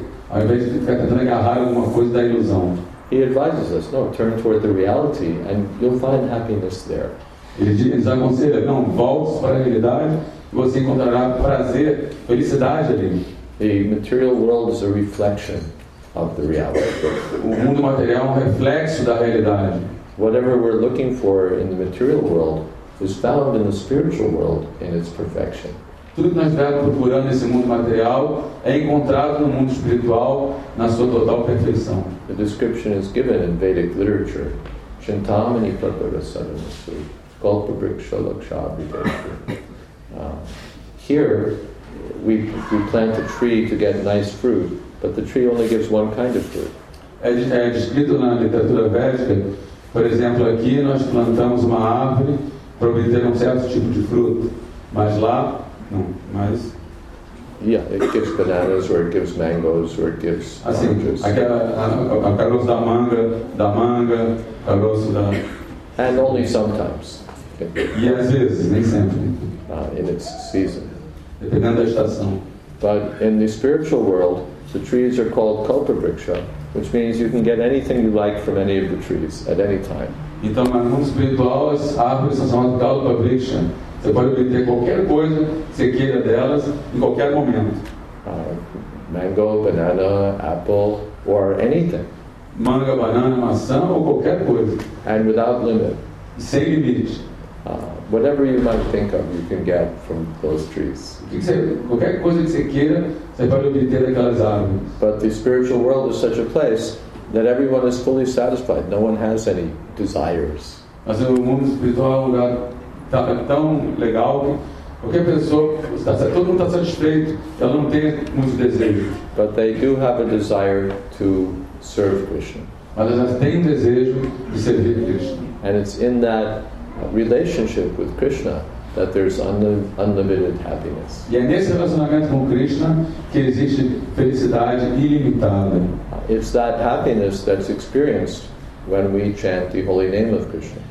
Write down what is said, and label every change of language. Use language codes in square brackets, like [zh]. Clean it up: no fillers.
[pt] Ao invés de ficar tentando agarrar alguma coisa da ilusão. [en] He advises us, no, turn toward the reality and you'll find happiness there. [pt] Ele nos aconselha, não, volte para a realidade e você encontrará prazer, felicidade ali. [en] The material world is a reflection of the reality. [pt] O mundo material é um reflexo da realidade. [en] Whatever we're looking for in the material world is found in the spiritual world in its perfection. [pt] Tudo que nós estamos procurando nesse mundo material é encontrado no mundo espiritual na sua total perfeição. [en] The description is given in Vedic literature. [sa] Chintamani Prakarasadamasu Kalpabriksha Lakshabhideshu. [en] Here we plant a tree to get nice fruit, but the tree only gives one kind of fruit. [pt] É descrito na literatura védica, por exemplo, aqui nós plantamos uma árvore para obter um certo tipo de fruto, mas lá [en] Yeah, it gives bananas, or it gives mangoes, or it gives [pt] assim, [en] oranges. [pt] A caroço da manga, caroço da... [en] And only sometimes. [pt] E às vezes, nem sempre. [en] In its season. [pt] Dependendo da estação. [en] But in the spiritual world, the trees are called kalpavriksha, which means you can get anything you like from any of the trees at any time. [pt] Então, mas no mundo espiritual, as árvores são chamadas kalpavriksha. Você pode obter qualquer coisa que você queira delas em qualquer momento. [en] Mango, banana, apple, or anything. [pt] Manga, banana, maçã, ou qualquer coisa. [en] And without limit. [pt] Sem limite. [en] Whatever you might think of, you can get from those trees. [pt] Qualquer coisa que você queira, você pode obter daquelas árvores. [en] But the spiritual world is such a place that everyone is fully satisfied. No one has any desires. [pt] Mas o mundo espiritual é um lugar... Tá, é tão legal que qualquer pessoa, todo mundo está satisfeito, ela não tem muito desejo. [en] But they do have a desire to serve Krishna. [pt] Mas elas têm um desejo de servir Krishna. [en] And it's in that relationship with Krishna that there's unlimited happiness. [pt] E é nesse relacionamento com Krishna que existe felicidade ilimitada. [en] It's that happiness that's experienced when we chant the holy name of Krishna.